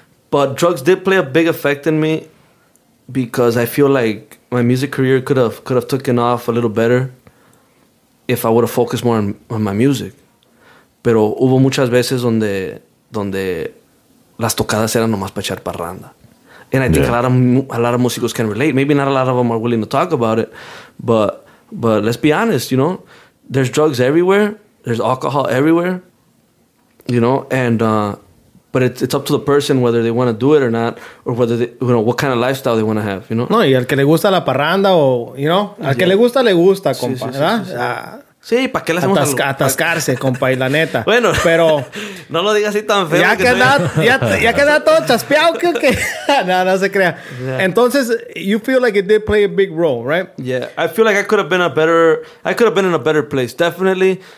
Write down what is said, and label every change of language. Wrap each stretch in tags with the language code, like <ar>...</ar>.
<en>But drugs did play a big effect in me because I feel like my music career could have taken off a little better if I would have focused more on my music.</en> <es>Pero hubo muchas veces donde las tocadas eran nomás para echar parranda.</es> <en>And I think a lot of músicos can relate. Maybe not a lot of them are willing to talk about it, but let's be honest, you know, there's drugs everywhere, there's alcohol everywhere, you know, but it's up to the person whether they want to do it or not, or whether they, you know, what kind of lifestyle they want to have, you know.</en> <es>No, y al que le gusta la parranda o,</es> <en>you know,</en> <es>al que le gusta, compa, sí, sí, ¿verdad? Sí, sí, sí. Sí, ¿para qué le hacemos atascarse, compa, y la neta? Bueno, pero no lo digas así tan feo. Ya queda todo chaspeado, que no se crea.</es> <en>Yeah.</en> <es>Entonces,</es> <en>you feel like it did play a big role, right? Yeah, I feel like I could have been in a better place, definitely.</en>